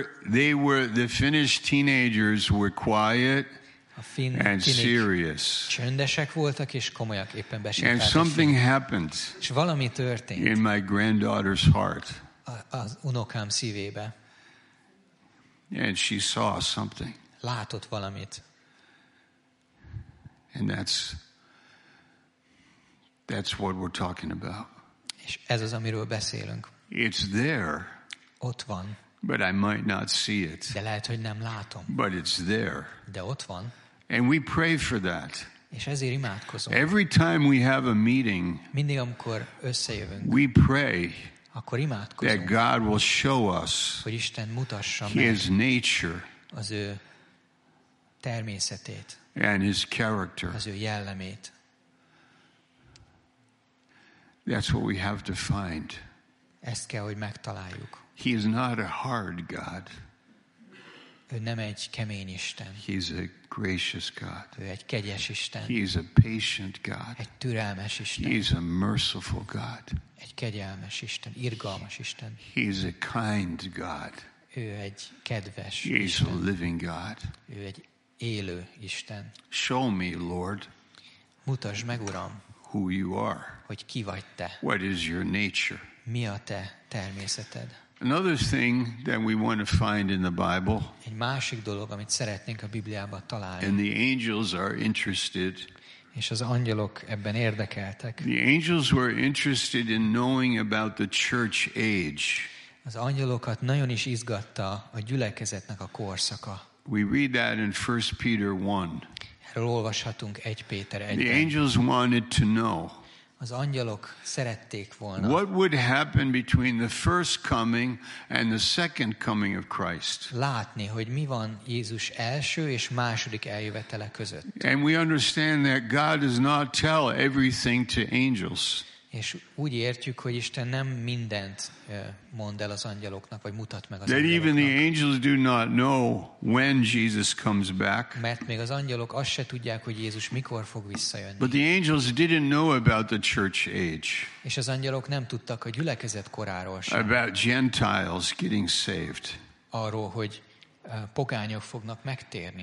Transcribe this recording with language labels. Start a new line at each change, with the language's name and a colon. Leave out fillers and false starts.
English: They were the Finnish teenagers were quiet and serious.
Hungarian: Csöndesek voltak és komolyak, éppen besétáltak.
English: And something happened.
Hungarian: És valami történt.
English: In my granddaughter's heart.
Hungarian: Az unokám szívébe.
English: And she saw something.
Hungarian: Látott valamit.
English: And that's what we're talking about.
Hungarian: És ez az, amiről beszélünk.
English: It's there.
Hungarian: Ott van.
English: But I might not see it.
Hungarian: De lehet, hogy nem látom.
English: But it's there.
Hungarian: De ott van.
English: And we pray for that.
Hungarian: És ezért imádkozom.
English: Every time we have a meeting,
Hungarian: mindig, amikor összejövünk,
English: we pray,
Hungarian: akkor imádkozom,
English: that God will show us,
Hungarian: hogy Isten mutassa
English: meg his nature,
Hungarian: az ő természetét,
English: and his character,
Hungarian: az ő jellemét.
English: That's what we have to find.
Hungarian: Ezt kell, hogy megtaláljuk.
English: He is not a hard God.
Hungarian: Ő nem egy kemény Isten.
English: He's a gracious God.
Hungarian: Ő egy kegyes Isten.
English: He's a patient God.
Hungarian: Egy türelmes Isten.
English: He's a merciful God.
Hungarian: Egy kegyelmes Isten, irgalmas Isten.
English: He's a kind God.
Hungarian: Ő egy kedves
English: He's
Hungarian: Isten.
English: A living God.
Hungarian: Ő egy élő Isten.
English: Show me, Lord.
Hungarian: Mutasd meg, Uram.
English: Who you are.
Hungarian: Hogy ki vagy te.
English: What is your nature?
Hungarian: Mi a te természeted?
English: Another thing that we want to find in the Bible.
Hungarian: Egy másik dolog, amit szeretnénk a Bibliában találni.
English: And the angels are interested.
Hungarian: És az angyalok ebben érdekeltek.
English: The angels were interested in knowing about the church age.
Hungarian: Az angyalokat nagyon is izgatta a gyülekezetnek a korszaka.
English: We read that in 1 Peter 1.
Hungarian: Erről olvashatunk 1 Péter 1-ben.
English: The angels wanted to know.
Hungarian: Az angyalok szerették volna.
English: What would happen between the first coming and the second coming of Christ?
Hungarian: Látni, hogy mi van Jézus első és második eljövetele között.
English: And we understand that God does not tell everything to angels.
Hungarian: És úgy értjük, hogy Isten nem mindent mond el az angyaloknak, vagy mutat meg az angyaloknak.
English: That even the angels do not know when Jesus comes back.
Hungarian: Mert még az angyalok azt se tudják, hogy Jézus mikor fog visszajönni.
English: But the angels didn't know about the church age.
Hungarian: És az angyalok nem tudtak a gyülekezet koráról sem.
English: About Gentiles getting saved.
Hungarian: Arról, hogy pogányok fognak megtérni.